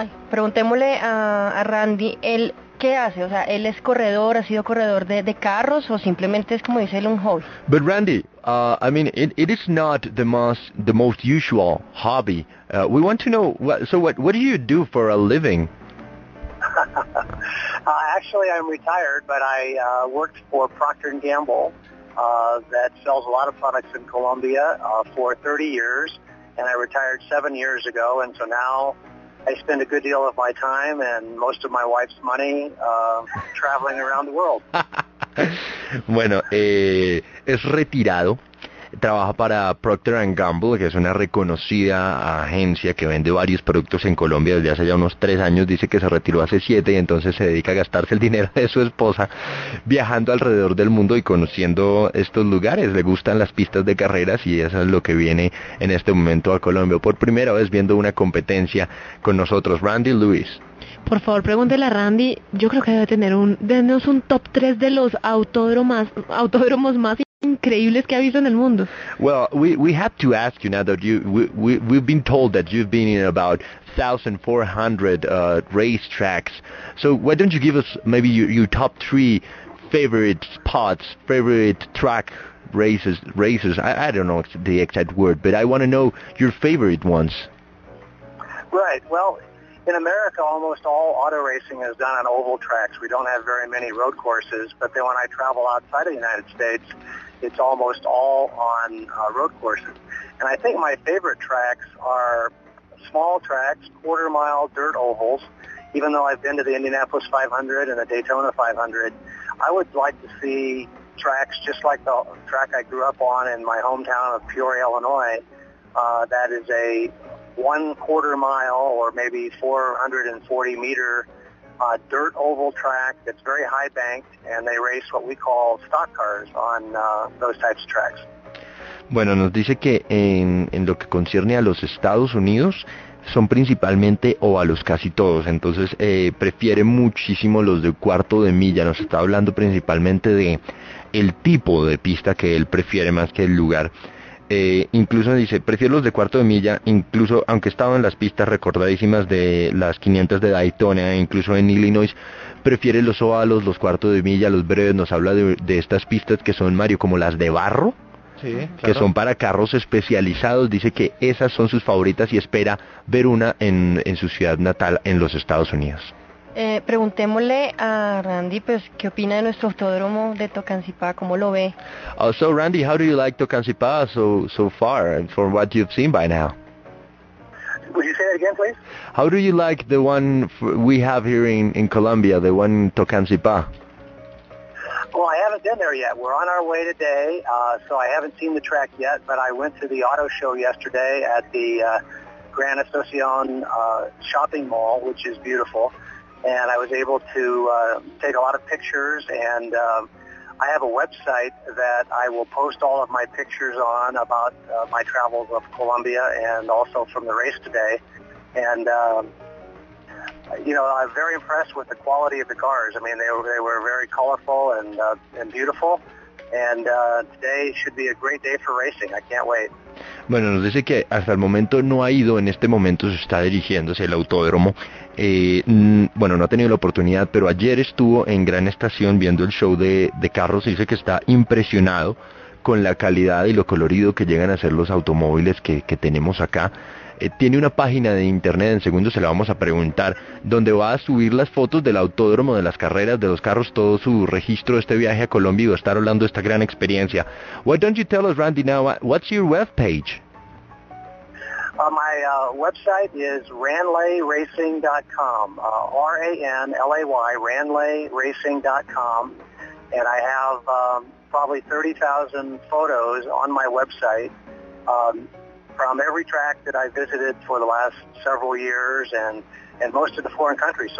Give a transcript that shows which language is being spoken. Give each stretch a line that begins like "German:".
Spanish: Preguntémosle a Randy, ¿él qué hace? O sea, ¿él es corredor, ha sido corredor de carros o simplemente es, como dice él, un hobby?
English: But Randy, I mean, it is not the most usual hobby. We want to know, what do you do for a living? Actually, I'm retired, but I worked for Procter & Gamble that sells a lot of products in Colombia for 30 years, and I retired 7 years ago, and so now I spend a good deal of my time and most of my wife's money traveling around the world. Bueno, es retirado, trabaja para Procter & Gamble, que es una reconocida agencia que vende varios productos en Colombia desde hace ya unos 3 años, dice que se retiró hace 7 y entonces se dedica a gastarse el dinero de su esposa viajando alrededor del mundo y conociendo estos lugares. Le gustan las pistas de carreras y eso es lo que viene en este momento a Colombia por primera vez, viendo una competencia con nosotros. Randy Lewis. Por favor, pregúntele a Randy, yo creo que debe tener denos un top 3 de los autódromos más increíbles que ha visto en el mundo. Well, we have to ask you now that we've been told that you've been in about 1,400 race tracks. So why don't you give us maybe your top 3 favorite spots, favorite track races? I don't know the exact word, but I want to know your favorite ones. Right. Well, in America, almost all auto racing is done on oval tracks. We don't have very many road courses. But then when I travel outside of the United States, it's almost all on road courses. And I think my favorite tracks are small tracks, quarter-mile dirt ovals. Even though I've been to the Indianapolis 500 and the Daytona 500, I would like to see tracks just like the track I grew up on in my hometown of Peoria, Illinois. That is a one-quarter-mile or maybe 440-meter dirt oval track that's very high banked, and they race what we call stock cars on those types of tracks.
Spanish: Bueno, nos dice que en lo que concierne a los Estados Unidos son principalmente ovalos casi todos, entonces prefiere muchísimo los de cuarto de milla. Nos está hablando principalmente de el tipo de pista que él prefiere más que el lugar. Incluso dice, prefiero los de cuarto de milla, incluso aunque he estado en las pistas recordadísimas de las 500 de Daytona, incluso en Illinois, prefiere los ovalos, los cuartos de milla, los breves. Nos habla de estas pistas que son, Mario, como las de barro, sí, claro, que son para carros especializados. Dice que esas son sus favoritas y espera ver una en su ciudad natal, en los Estados Unidos. Preguntémosle a Randy, pues, ¿qué opina de nuestro autódromo de Tocancipá? ¿Cómo lo ve?
English: So Randy, how do you like Tocancipá so far, from what you've seen by now? Would you say that again, please? How do you like the one we have here in Colombia, the one in Tocancipá? Well, I haven't been there yet. We're on our way today, so I haven't seen the track yet, but I went to the auto show yesterday at the Gran Asuncion shopping mall, which is beautiful, and I was able to take a lot of pictures, and I have a website that I will post all of my pictures on about my travels of Colombia and also from the race today, and you know, I'm very impressed with the quality of the cars. I mean, they were very colorful and beautiful. And today should be a great day for racing. I can't wait.
Spanish: Bueno, nos dice que hasta el momento no ha ido, en este momento se está dirigiendo hacia el autódromo. Bueno, no ha tenido la oportunidad, pero ayer estuvo en Gran Estación viendo el show de carros. Dice que está impresionado con la calidad y lo colorido que llegan a ser los automóviles que tenemos acá. Tiene una página de internet, en segundos se la vamos a preguntar, donde va a subir las fotos del autódromo, de las carreras, de los carros, todo su registro de este viaje a Colombia y va a estar hablando de esta gran experiencia.
English: Why don't you tell us, Randy, now, what's your web page? My website is ranlayracing.com, R-A-N-L-A-Y, ranlayracing.com, and I have probably 30,000 photos on my website, from every track that I visited for the last several years and most of the foreign countries.